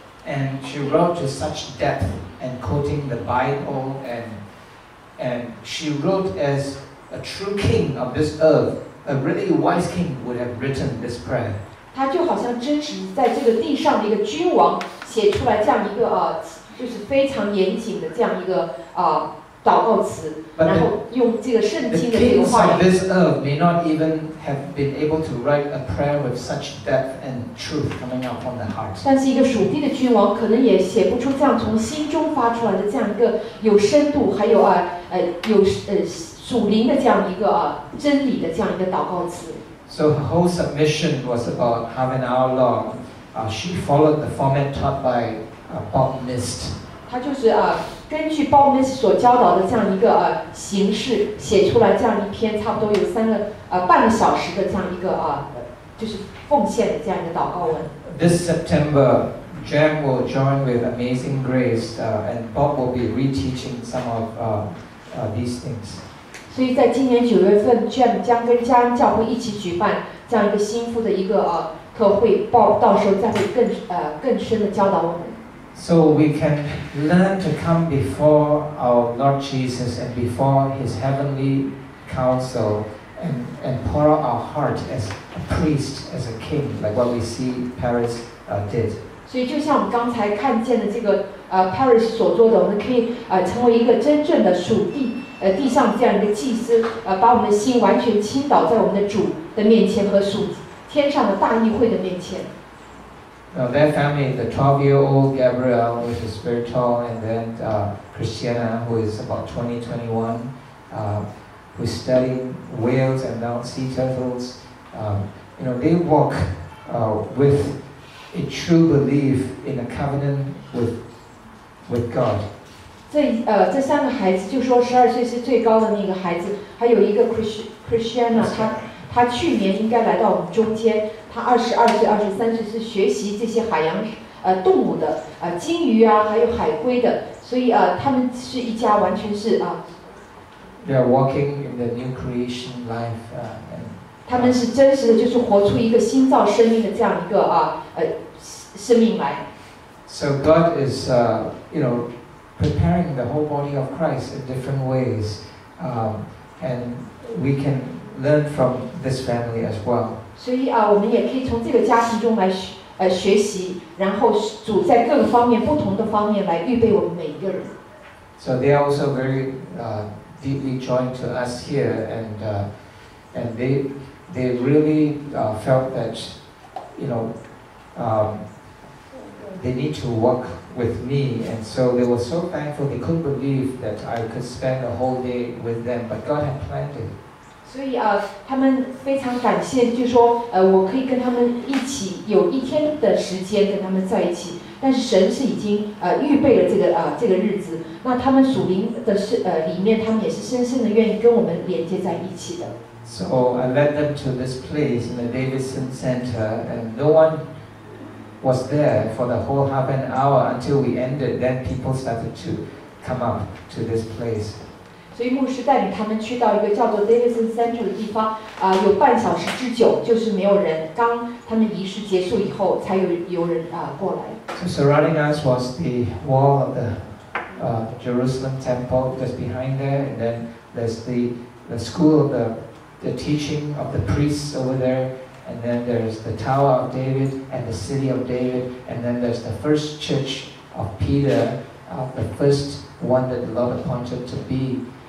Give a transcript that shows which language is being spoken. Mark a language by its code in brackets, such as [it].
[en] And she wrote to such depth and quoting the Bible and she wrote as a true king of this earth, a really wise king would have written this prayer. [zh] 她就好像真实在这个地上的一个君王写出来这样一个就是非常严谨的这样一个祷告词，然后用这个圣经的这个话语。 [en] The kings of this earth may not even have been able to write a prayer with such depth and truth coming out from the heart. [zh] 但是一个属地的君王可能也写不出这样从心中发出来的这样一个有深度，还有属灵的这样一个真理的这样一个祷告词。 [en] So her whole submission was about half an hour long. She followed the format taught by Bob Mist. [zh] 她就是根据 Bob Mist 所教导的这样一个形式写出来这样一篇差不多有半个小时的这样一个就是奉献的这样一个祷告文。 [en] This September, Jam will join with Amazing Grace, and Bob will be reteaching some of these things. [zh] 所以在今年九月份 ，Jam 将跟加恩教会一起举办这样一个新妇的一个特会 ，Bob 到时候再会更深的教导我们。 [en] So we can learn to come before our Lord Jesus and before His heavenly council and pour out our heart as a priest, as a king, like what we see Paris did. [zh] 所以就像我们刚才看见的这个Paris 所做的，我们可以成为一个真正的属地地上这样一个祭司，把我们的心完全倾倒在我们的主的面前和属天上的大议会的面前。 [en] Their family, the 12-year-old Gabrielle, which is very tall, and then Christiana, who is about 21, who's studying whales and now sea turtles. They walk with a true belief in a covenant with God. [zh] 这三个孩子，就说十二岁是最高的那个孩子，还有一个 Christiana， 他去年应该来到我们中间。他22岁、23岁是学习这些海洋动物的鲸鱼啊，还有海龟的，所以他们是一家完全是 [en] They are walking in the new creation life. [zh] 他们是真实的，就是活出一个新造生命的这样一个生命来。 [en] So God is preparing the whole body of Christ in different ways, and we can learn from this family as well. [zh] 所以我们也可以从这个家庭中来学习，然后主在各个方面、不同的方面来预备我们每一个人。 [en] So they are also very deeply joined to us here, and they really felt that they need to work with me, and so they were so thankful. They couldn't believe that I could spend a whole day with them, but God had planned it. [zh] 所以他们非常感谢，就是说我可以跟他们一起有一天的时间跟他们在一起，但是神是已经预备了这个日子，那他们属灵的里面，他们也是深深的愿意跟我们连接在一起的。 [en] So I led them to this place in the Davidson Center, and no one was there for the whole half an hour until we ended. Then people started to come up to this place. [zh] 所以牧师带领他们去到一个叫做 Davidson Center 的地方，有半小时之久，就是没有人。刚他们仪式结束以后，才有人过来。 [en] So surrounding us was the wall of the Jerusalem Temple just behind there, and then there's the school of the teaching of the priests over there, and then there's the Tower of David and the City of David, and then there's the first church of Peter, the first one that the Lord appointed to be.